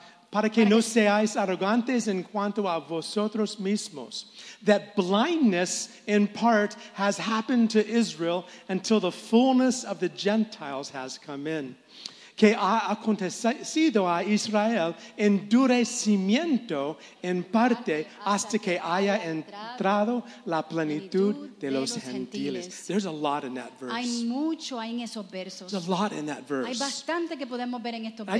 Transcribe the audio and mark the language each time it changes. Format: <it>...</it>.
<es>Para que no seáis arrogantes en cuanto a vosotros mismos.</es> <en>That blindness in part has happened to Israel until the fullness of the Gentiles has come in.</en> <es>Que ha acontecido a Israel endurecimiento en parte hasta que haya entrado la plenitud de los gentiles.</es> <en>There's a lot in that verse.</en> <es>Hay mucho ahí en esos versos.</es> <en>There's a lot in that verse.</en> <es>Hay bastante que podemos ver en estos versos.</es>